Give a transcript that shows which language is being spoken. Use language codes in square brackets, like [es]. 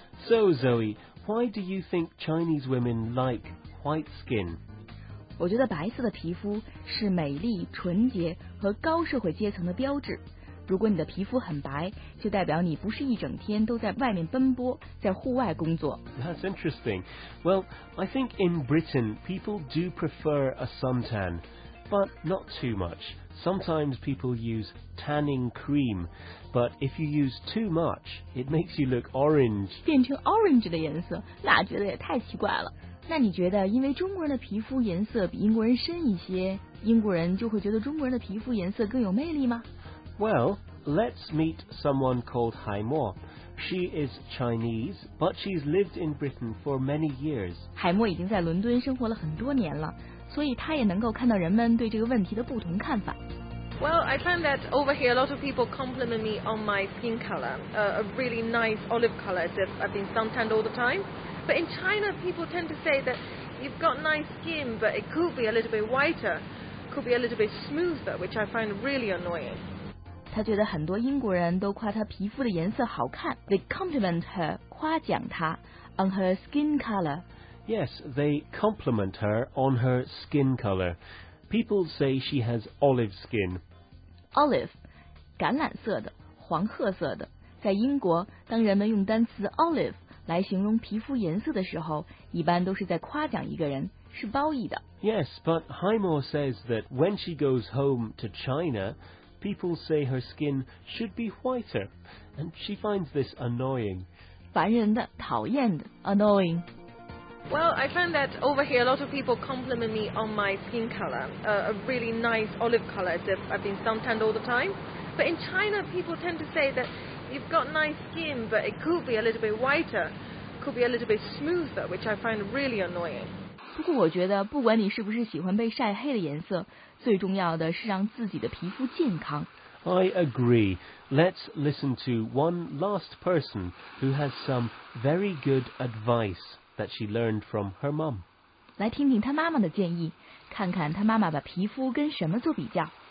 [en] So, Zoe, why do you think Chinese women like white skin? [zh] 我觉得白色的皮肤是美丽、纯洁和高社会阶层的标志。如果你的皮肤很白，就代表你不是一整天都在外面奔波，在户外工作。 [en] That's interesting. Well, I think in Britain, people do prefer a suntan. But not too much. Sometimes people use tanning cream, but if you use too much, it makes you look orange. [zh] 变成 orange 的颜色，那觉得也太奇怪了。那你觉得，因为中国人的皮肤颜色比英国人深一些，英国人就会觉得中国人的皮肤颜色更有魅力吗？ [en] Well, let's meet someone called Hai Mo. She is Chinese, but she's lived in Britain for many years. [zh] 海默已经在伦敦生活了很多年了。所以他也能够看到人们对这个问题的不同看法。 [en] Well, I find that over here a lot of people compliment me on my skin color, a really nice olive color as if I've been suntanned all the time. But in China, people tend to say that you've got nice skin, but it could be a little bit whiter, could be a little bit smoother, which I find really annoying. [zh] 他觉得很多英国人都夸他皮肤的颜色好看。 [en] They compliment her, [zh] 夸奖她 [en] on her skin color. Yes, they compliment her on her skin color. People say she has olive skin. [zh] Olive, 橄榄色的，黄褐色的。在英国，当人们用单词 olive 来形容皮肤颜色的时候，一般都是在夸奖一个人，是褒义的。 [en] Yes, but Haimo says that when she goes home to China, people say her skin should be whiter, and she finds this annoying. [zh] 烦人的，讨厌的 ，annoying. [en] Well, I find that over here a lot of people compliment me on my skin color, a really nice olive color. I've been suntanned all the time, but in China, people tend to say that you've got nice skin, but it could be a little bit whiter, could be a little bit smoother, which I find really annoying. [zh] 不过我觉得不管你是不是喜欢被晒黑的颜色，最重要的是让自己的皮肤健康。 [en] I agree. Let's listen to one last person who has some very good advice that she learned from her mom. [zh] 来听听她妈妈的建议，看看她妈妈把皮肤跟什么做比较。